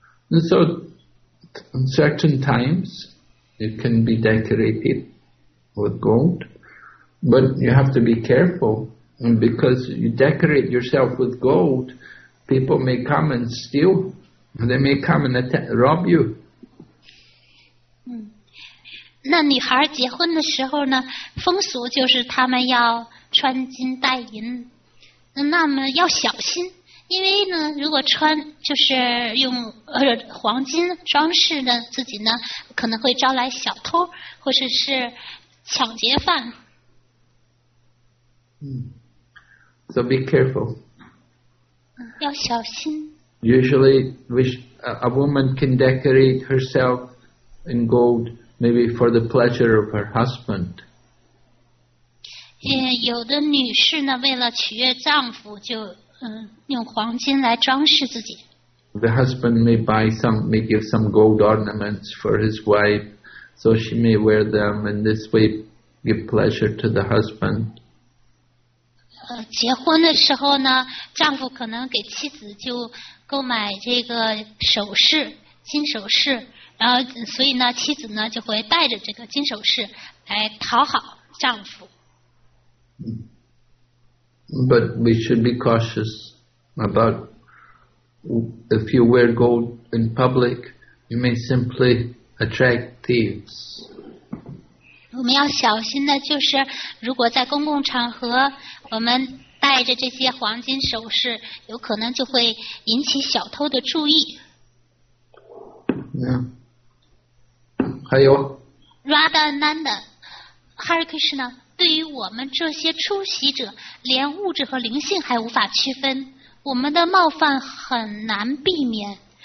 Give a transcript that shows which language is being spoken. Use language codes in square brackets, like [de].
[en] And so, on certain times, it can be decorated with gold. But you have to be careful, and because you decorate yourself with gold, people may come and steal, they may come and rob you. [zh] 那女孩结婚的时候呢，风俗就是他们要穿金戴银，那么要小心，因为呢，如果穿就是用黄金装饰的自己呢，可能会招来小偷或者是抢劫犯。 So be careful. 要小心。 [en] Usually, a woman can decorate herself in gold. Maybe for the pleasure of her husband. [zh] Yeah, 有的女士呢，为了取悦丈夫，就用黄金来装饰自己。 [en] The husband may give some gold ornaments for his wife, so she may wear them, and this way give pleasure to the husband. [zh] 结婚的时候呢，丈夫可能给妻子就购买这个首饰，金首饰。然后，所以呢，妻子呢就会带着这个金首饰来讨好丈夫。 [en] But we should be cautious about if you wear gold in public, you may simply attract thieves. [zh] 我们要小心的就是，如果在公共场合，我们戴着这些黄金首饰，有可能就会引起小偷的注意。嗯，还有。 Radha Nanda， Hare Krishna， 对于我们这些出席者，连物质和灵性还无法区分，我们的冒犯很难避免。